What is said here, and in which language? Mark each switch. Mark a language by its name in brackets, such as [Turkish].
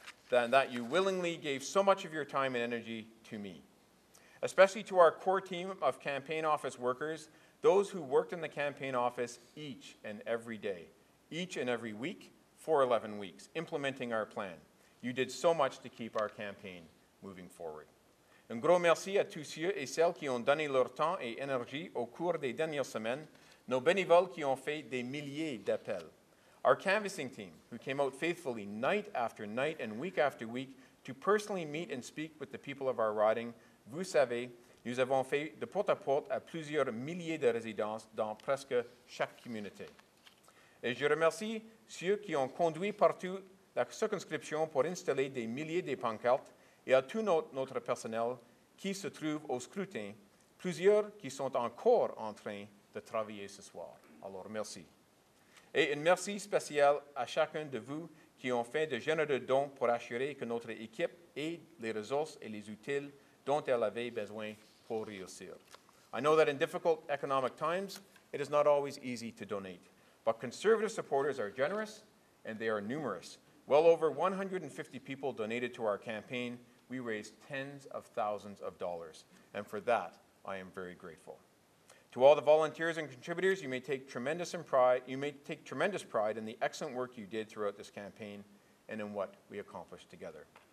[English] That you willingly gave so much of your time and energy to me. Especially to our core team of campaign office workers, those who worked in the campaign office each and every day, each and every week for 11 weeks, implementing our plan. You did so much to keep our campaign moving forward. [French] Un gros merci à tous ceux et celles qui ont donné leur temps et énergie au cours des dernières semaines, nos bénévoles qui ont fait des milliers d'appels. [English] Our canvassing team, who came out faithfully night after night and week after week to personally meet and speak with the people of our riding, [French] vous savez, nous avons fait de porte à porte à plusieurs milliers de résidences dans presque chaque communauté. Et je remercie ceux qui ont conduit partout la circonscription pour installer des milliers de pancartes et à tout notre personnel qui se trouve au scrutin, plusieurs qui sont encore en train de travailler ce soir. Alors, merci. Et un merci spécial à chacun de vous qui ont fait de généreux dons pour assurer que notre équipe ait les ressources et les outils dont elle avait besoin pour réussir. [English] I know that in difficult economic times, it is not always easy to donate. But conservative supporters are generous, and they are numerous. Well over 150 people donated to our campaign. We raised tens of thousands of dollars. And for that, I am very grateful. To all the volunteers and contributors, you may take tremendous pride in the excellent work you did throughout this campaign and in what we accomplished together.